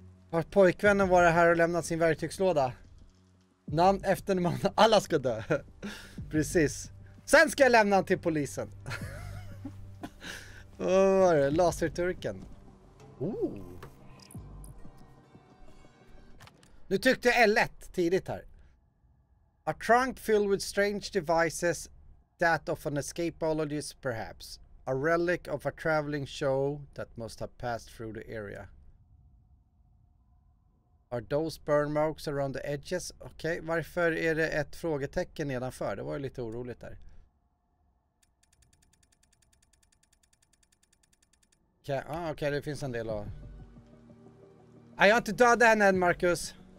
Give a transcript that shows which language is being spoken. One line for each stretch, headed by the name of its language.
Swedish: Har pojkvännen varit här och lämnat sin verktygslåda? Namn efter man... Alla ska dö. Precis. Sen ska jag lämna till polisen. Vad var det? Laserturken. Ooh. Nu tyckte jag L1 tidigt här.
English: A trunk filled with strange devices, that of an escapologist perhaps. A relic of a traveling show that must have passed through the area. Are those burn marks around the edges?
Swedish: Okej, okay, varför är det ett frågetecken nedanför? Det var ju lite oroligt där. Okej, det finns en del av... Jag har inte dödat henne än, Marcus.